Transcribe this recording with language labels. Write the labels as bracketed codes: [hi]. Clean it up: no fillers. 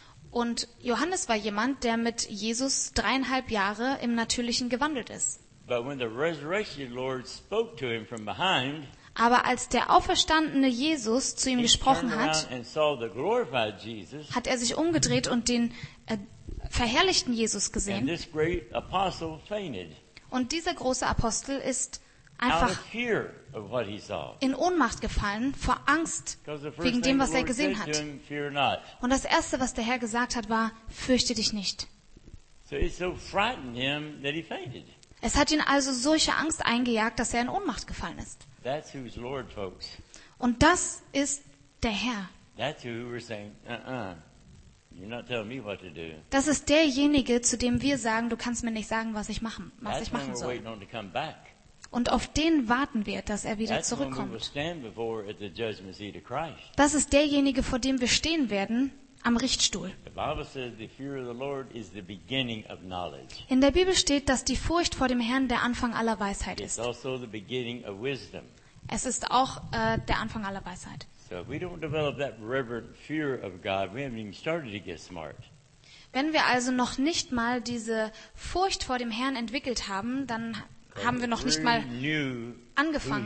[de] Und Johannes war jemand, der mit Jesus 3,5 Jahre im Natürlichen gewandelt ist. [en] But when the resurrected Lord spoke to him from behind, [de] aber als der auferstandene Jesus zu ihm gesprochen hat, hat er sich umgedreht und den verherrlichten Jesus gesehen. [en] And this great apostle fainted. [de] Und dieser große Apostel ist einfach [en] out of fear of what he saw. [de] In Ohnmacht gefallen, vor Angst wegen dem, was er gesehen hat. Und das Erste, was der Herr gesagt hat, war: Fürchte dich nicht. [en] So it so frightened him that he fainted. [de] Es hat ihn also solche Angst eingejagt, dass er in Ohnmacht gefallen ist. [en] That's who's Lord, folks. [de] Und das ist der Herr. [en] That's who we're saying, you're not telling me what to do. [de] Das ist derjenige, zu dem wir sagen, du kannst mir nicht sagen, was ich machen soll. [en] We're waiting on to come back. [de] Und auf den warten wir, dass er wieder zurückkommt. [en] That's when we'll stand before at the judgment seat of Christ. [de] Das ist derjenige, vor dem wir stehen werden. Am Richtstuhl. [en] The Bible says the fear of the Lord is the beginning of knowledge. [de] In der Bibel steht, dass die Furcht vor dem Herrn der Anfang aller Weisheit ist. [en] It's also the beginning of wisdom. [de] Es ist auch der Anfang aller Weisheit. [en] So if we don't develop that reverent fear of God, we haven't even started to get smart. [de] Wenn wir also noch nicht mal diese Furcht vor dem Herrn entwickelt haben, dann haben wir noch nicht mal angefangen.